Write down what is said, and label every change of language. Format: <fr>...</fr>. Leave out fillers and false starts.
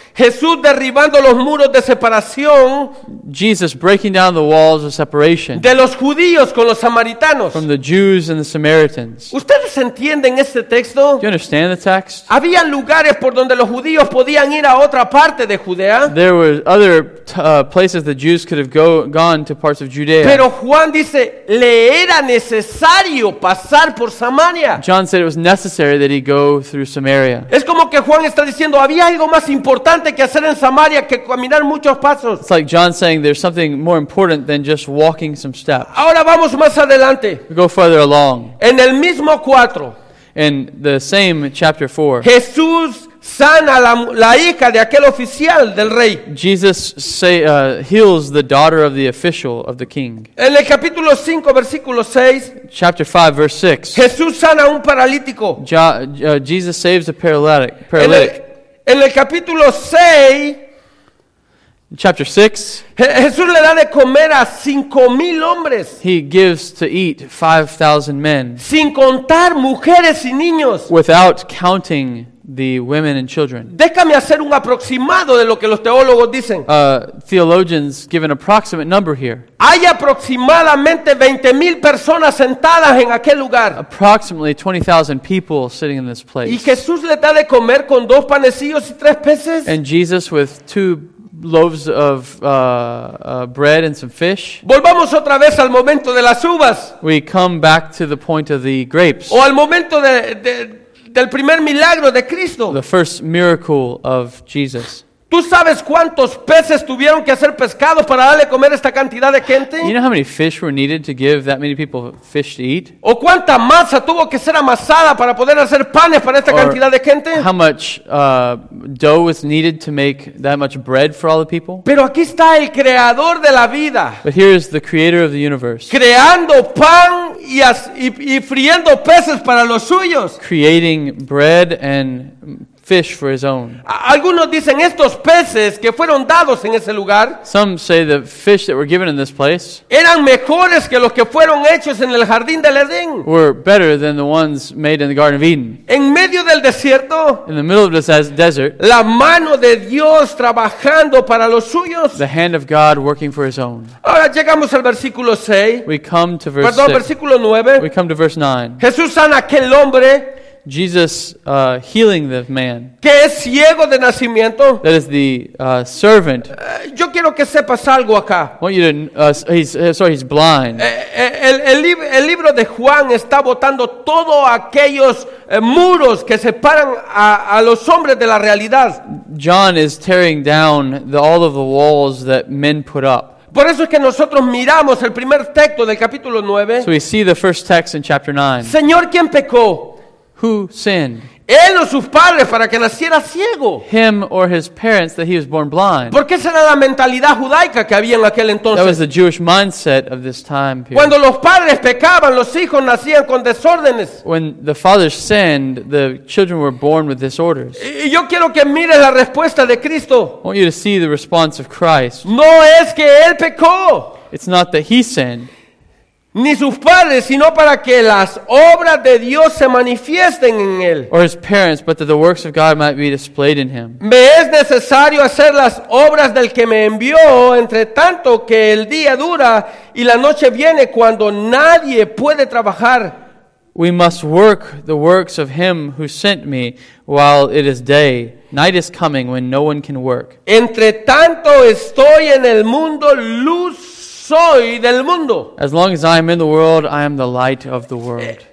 <es>Jesús derribando los muros de separación.</es> <en>Jesus breaking down the walls of separation.</en> <es>De los judíos con los samaritanos.</es> <en>From the Jews and the Samaritans.</en> <es>¿Ustedes entienden este texto?</es> <en>Do you understand the text?</en> <es>Había lugares por donde los judíos podían ir a otra parte de Judea.</es> <en>There were other places the Jews could have gone to parts of Judea.</en> <es>Pero Juan dice, le era necesario pasar por Samaria.</es> <en>John said it was necessary that he go through Samaria.</en> <es>Es como que Juan está diciendo, había algo más importante que hacer en Samaria que caminar muchos pasos.</es> <en>It's like John saying there's something more important than just walking some steps.</en> <es>Ahora vamos más adelante.</es> <en>We go further along.</en> <es>En el mismo 4.</es> <en>In the same chapter 4.</en> <es>Jesús sana la hija de aquel oficial del rey.</es> <en>Jesus heals the daughter of the official of the king.</en> <es>En el capítulo 5, versículo 6.</es> <en>Chapter 5, verse 6.</en> <es>Jesús sana un paralítico.</es> <en>Jesus saves a paralytic.</en> <es>En el capítulo 6,</es> <en>chapter 6,</en> <es>Jesús le da de comer a 5,000 hombres.</es> <en>He gives to eat 5,000 men.</en> <es>Sin contar mujeres y niños.</es> <en>Without counting the women and children.</en> <es>Déjame hacer un aproximado de lo que los teólogos dicen.</es> <en>Theologians give an approximate number here.</en> <es>Hay aproximadamente 20,000 personas sentadas en aquel lugar.</es> <en>Approximately 20,000 people sitting in this place.</en> <es>Y Jesús le da de comer con dos panecillos y tres peces.</es> <en>And Jesus with two loaves of bread and some fish.</en> <es>Volvamos otra vez al momento de las uvas.</es> <en>We come back to the point of the grapes.</en> <es>O al momento del primer milagro de Cristo.</es> <en>The first miracle of Jesus.</en> <es>¿Tú sabes cuántos peces tuvieron que hacer pescados para darle comer esta cantidad de gente?</es> <en>You know how many fish were needed to give that many people fish to eat?</en> <es>¿O cuánta masa tuvo que ser amasada para poder hacer panes para esta cantidad de gente?</es> <en>How much dough was needed to make that much bread for all the people?</en> <es>Pero aquí está el creador de la vida.</es> <en>But here is the creator of the universe.</en> <es>Creando pan y friendo peces para los suyos.</es> <en>Creating bread and fish for his own.</en> <es>Algunos dicen estos peces que fueron dados en ese lugar.</es> <en>Some say the fish that were given in this place.</en> <es>Eran mejores que los que fueron hechos en el jardín del Edén.</es> <en>Were better than the ones made in the Garden of Eden.</en> <es>En medio del desierto.</es> <en>In the middle of the desert.</en> <es>La mano de Dios trabajando para los suyos.</es> <en>The hand of God working for his own.</en> <es>Ahora llegamos al versículo 6.</es> <en>We come to verse</en> <es>6. Versículo 9.</es> <en>We come to verse 9.</en> <es>Jesús sana aquel hombre.</es> <en>Jesus healing the man.</en> <es>Que es ciego de nacimiento.</es> <en>That is the servant.</en> <es>Yo quiero que sepas algo acá.</es> <en>I want you to. He's blind.</en> <es>El libro de Juan está botando todos aquellos muros que separan a los hombres de la realidad.</es> <en>John is tearing down all of the walls that men put up.</en> <es>Por eso es que nosotros miramos el primer texto del capítulo 9.</es> <en>So we see the first text in chapter 9.</en> <es>Señor, ¿quién pecó?</es> <en>Who sinned?</en> <es>Él o sus padres para que naciera ciego.</es> <en>Him or his parents that he was born blind.</en> <es>Porque esa era la mentalidad judaica que había en aquel entonces.</es> <en>That was the Jewish mindset of this time period.</en> <es>Cuando los padres pecaban, los hijos nacían con desórdenes.</es> <en>When the fathers sinned, the children were born with disorders.</en> <es>Y yo quiero que mires la respuesta de Cristo.</es> <en>I want you to see the response of Christ.</en> <es>No es que él pecó.</es> <en>It's not that he sinned.</en> <es>Ni sus padres, sino para que las obras de Dios se manifiesten en él.</es> <en>Or his parents, but that the works of God might be displayed in him.</en> <es>Me es necesario hacer las obras del que me envió, entre tanto que el día dura y la noche viene cuando nadie puede trabajar.</es> <en>We must work the works of him who sent me while it is day. Night is coming when no one can work.</en> <es>Entre tanto estoy en el mundo, luz soy del mundo.</es> <en>As long as I am in the world, I am the light of the world.</en>